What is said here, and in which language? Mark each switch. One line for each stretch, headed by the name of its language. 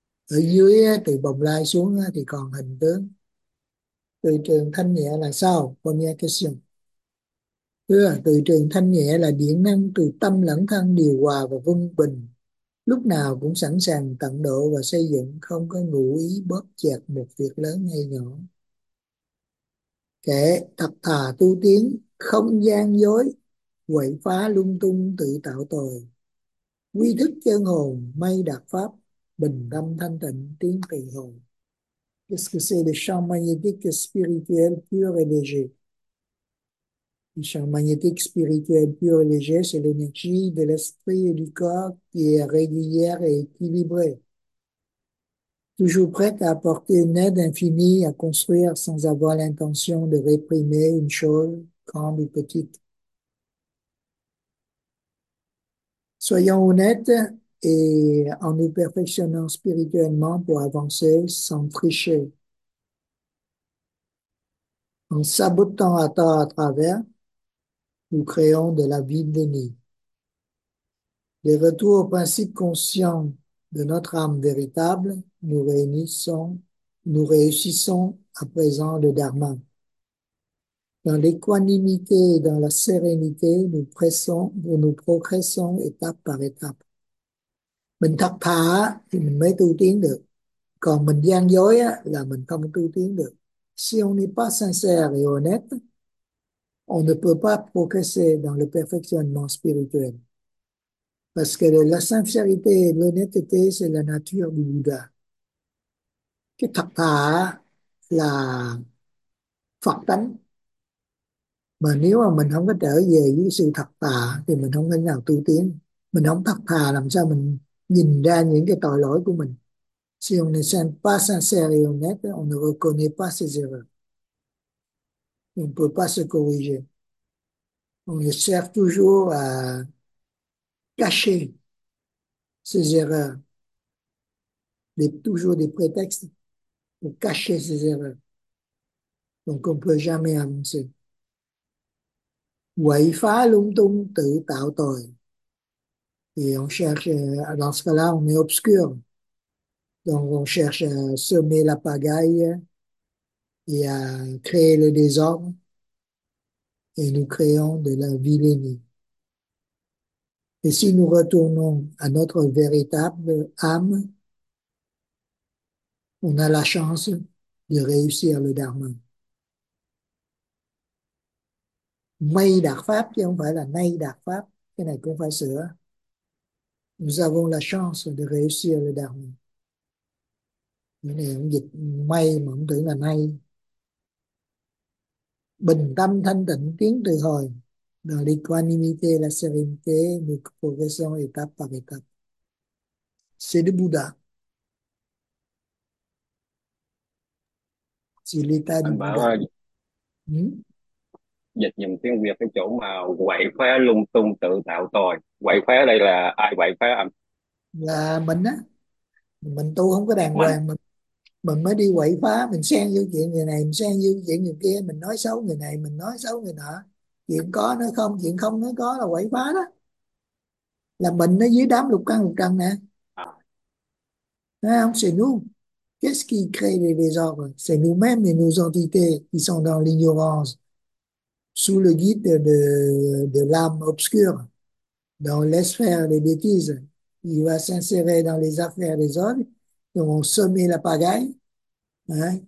Vietnamese: ở dưới từ bồng lai xuống thì còn hình tướng từ trường thanh nhẹ là sao con nghe cái sừng từ trường thanh nhẹ là điện năng từ tâm lẫn thân điều hòa và vun bình lúc nào cũng sẵn sàng tận độ và xây dựng không có ngụ ý bóp chẹt một việc lớn hay nhỏ kẻ thật thà tu tiến không gian dối quậy phá lung tung tự tạo tội quy thức chân hồn may đạt pháp bình tâm thanh tịnh tiến tùy hồn.
French: Qu'est-ce que c'est le champ magnétique spirituel pur et léger? Le champ magnétique spirituel pur et léger, c'est l'énergie de l'esprit et du corps qui est régulière et équilibrée, toujours prête à apporter une aide infinie à construire sans avoir l'intention de réprimer une chose grande ou petite. Soyons honnêtes et en nous perfectionnant spirituellement pour avancer sans tricher, en sabotant à tort à travers. Nous créons de la vie bénie. Les retours au principe conscient de notre âme véritable, nous réussissons à présent le Dharma. Dans l'équanimité et dans la sérénité, nous progressons étape par étape.
Vietnamese: Mình thật thà thì mình mới tu tiến được. Còn mình gian dối á, là mình không tu tiến được.
French: Si on n'est pas sincère et honnête, on ne peut pas progresser dans le perfectionnement spirituel. Parce que la sincérité et l'honnêteté, c'est la nature du Bouddha.
Vietnamese: Cái thật thà là Phật tánh. Mà nếu mà mình không có trở về với sự thật thà, thì mình không thể nào tu tiến. Mình không thật thà làm sao mình nhìn ra những cái tội lỗi của mình.
French: Si on ne s'est pas sincère et honnête, on ne reconnaît pas ses erreurs. On ne peut pas se corriger. On le sert toujours à cacher ses erreurs. Toujours des prétextes pour cacher ses erreurs. Donc, on ne peut jamais avancer.
Vietnamese: Quậy phá lung tung tự tạo tội.
French: Et on cherche, dans ce cas-là, on est obscur. Donc, on cherche à semer la pagaille et à créer le désordre. Et nous créons de la vilenie. Et si nous retournons à notre véritable âme, on a la chance de réussir le dharma.
Vietnamese: Mai đạt pháp chứ không phải là nay đạt pháp, cái này cũng phải sửa.
French: Nous avons la chance de réussir le dharma.
Vietnamese: Cái này cũng dịch may mà không tưởng là nay. Bình tâm thanh tịnh tiến từ hồi.
French: Dans l'équanimité, la sérénité, nous progressons étape par étape. C'est le Bouddha. C'est l'état du
Vietnamese: Anh
French: Bouddha.
Vietnamese: bảo dịch dùng tiếng Việt cái chỗ mà quậy phá lung tung tự tạo tội. Quậy phá ở đây là ai quậy phá anh? Là mình á, mình tu không có đàng Mình. hoàng, mình mới đi quậy phá, mình xen vô chuyện người này, mình xen vô chuyện người kia, mình nói xấu người này, mình nói xấu người nọ. Chuyện có nó không, chuyện không nó có là quậy phá đó. Là mình nó dưới đám lục căn lục trần nè. Thấy không?
French: C'est nous. Qu'est-ce qui crée les désordres? C'est nous-mêmes et nos entités qui sont dans l'ignorance, sous le guide de l'âme obscure, dont laisse faire les bêtises. Il va s'insérer dans les affaires des autres, ils vont semer la pagaille. Hein?